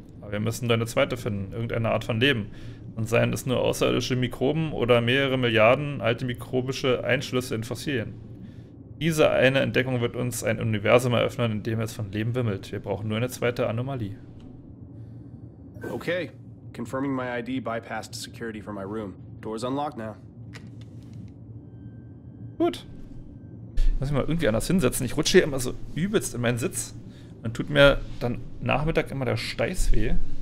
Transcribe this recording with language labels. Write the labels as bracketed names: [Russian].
[German] Aber wir müssen nur eine zweite finden, irgendeine Art von Leben. Und seien es nur außerirdische Mikroben oder mehrere Milliarden alte mikrobische Einschlüsse in Fossilien. Diese eine Entdeckung wird uns ein Universum eröffnen, in dem es von Leben wimmelt. Wir brauchen nur eine zweite Anomalie. Okay. [English] Confirming my ID bypassed security for my room. Doors unlocked now. [German] Gut. Muss ich mal irgendwie anders hinsetzen. Ich rutsche hier immer so übelst in meinen Sitz. Dann tut mir dann Nachmittag immer der Steiß weh.